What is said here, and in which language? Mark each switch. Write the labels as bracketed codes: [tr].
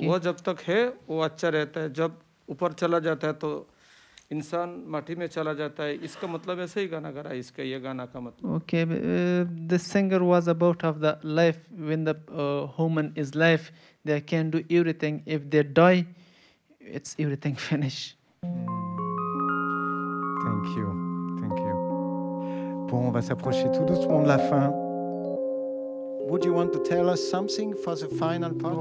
[hi] तो वो जब तक है वो अच्छा रहता है जब ऊपर चला जाता है तो इंसान माटी में चला जाता है इसका मतलब ऐसे ही गाना गा रहा है इसका ये गाना का मतलब [en] okay the singer was about of the life when the human is life they can do everything if they die it's everything finish thank you [fr] Bon, on va s'approcher tout doucement de la fin. [en] Would you want to tell us something for the final part?